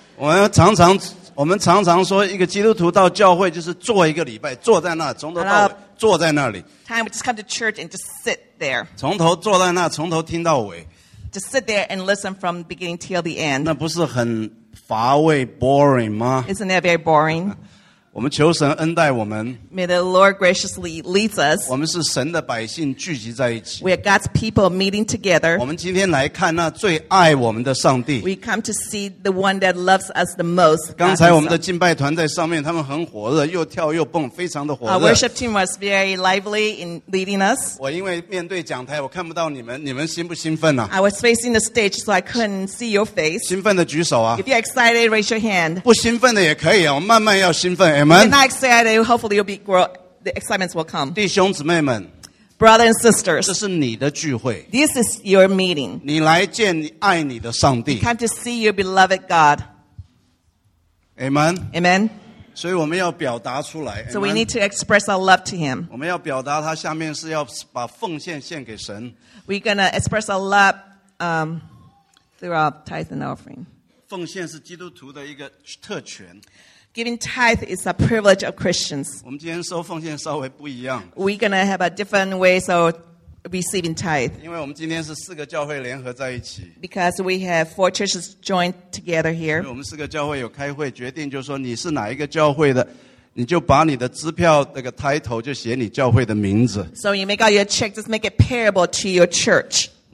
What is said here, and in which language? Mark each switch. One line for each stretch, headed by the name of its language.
Chinese: 我们常常说一个基督徒到教会就是坐一个礼拜，坐在那，从头到尾坐在那里。
English: Time we just come to church and just sit there.
Chinese: 从头坐在那，从头听到尾。
English: Just sit there and listen from beginning till the end.
Chinese: 那不是很乏味 boring 吗？
English: Isn't that very boring?
Chinese: 我们求神恩待我们。
English: May the Lord graciously lead us.
Chinese: 我们是神的百姓聚集在一起。
English: We are God's people meeting together.
Chinese: 我们今天来看那最爱我们的上帝。We
English: come to see the one that loves us the most.
Chinese: 刚才我们的敬拜团在上面, 他们很火热, 又跳又蹦, 非常的火热。
English: Our worship team was very lively in leading us.
Chinese: 我因为面对讲台, 我看不到你们, 你们兴不兴奋啊?
English: I was facing the stage, so I couldn't see your face.
Chinese: 兴奋的举手啊。
English: If you're excited, raise your hand.
Chinese: 不兴奋的也可以啊, 我慢慢要兴奋。
English: Amen. You're not excited, hopefully you'll be grow, the excitements will come.
Chinese: 弟兄姊妹们,
English: brothers and sisters,
Chinese: 这是你的聚会,
English: this is your meeting.
Chinese: 你来见爱你的上帝,
English: you come to see your beloved God. Amen. Amen.
Chinese: 所以我们要表达出来,
English: so we need to express our love to him.
Chinese: 我们要表达他下面是要把奉献献给神。
English: We're going to express our love through our tithe and offering.
Chinese: 奉献是基督徒的一个特权。
English: Giving tithe is a privilege of Christians.
Chinese: 我们今天收奉献稍微不一样。
English: We're going to have a different way of receiving tithe.
Chinese: 因为我们今天是四个教会联合在一起。
English: Because we have four churches joined together here.
Chinese: 因为我们四个教会有开会, 决定就是说, 你是哪一个教会的, 你就把你的支票那个 title就写你教会的名字。
English: So you make out your check, just make it payable to your church.